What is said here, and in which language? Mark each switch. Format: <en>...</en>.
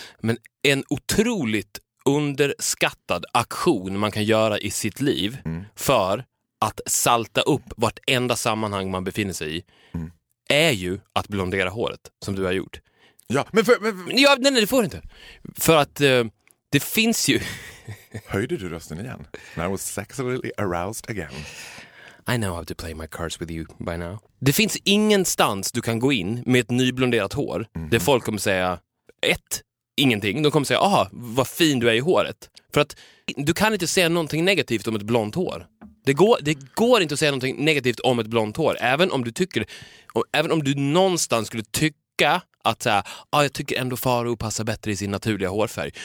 <sv>Men en otroligt underskattad aktion man kan göra i sitt liv för att salta upp vartenda sammanhang man befinner sig i är ju att blondera håret som du har gjort. Ja, men nej, det får du inte. För att det finns ju Höjde du rösten igen?</sv> <en>And I was sexually aroused again. I know how to play my cards with you by now.</en> <sv>Det finns ingenstans du kan gå in med ett nyblonderat hår. Mm-hmm. Där folk kommer säga, ett, ingenting. De kommer säga, aha, vad fin du är i håret. För att du kan inte säga någonting negativt om ett blont hår. Det går inte att säga någonting negativt om ett blont hår. Även om du någonstans skulle tycka att så här, ah, jag tycker ändå Faro passar bättre i sin naturliga hårfärg.</sv>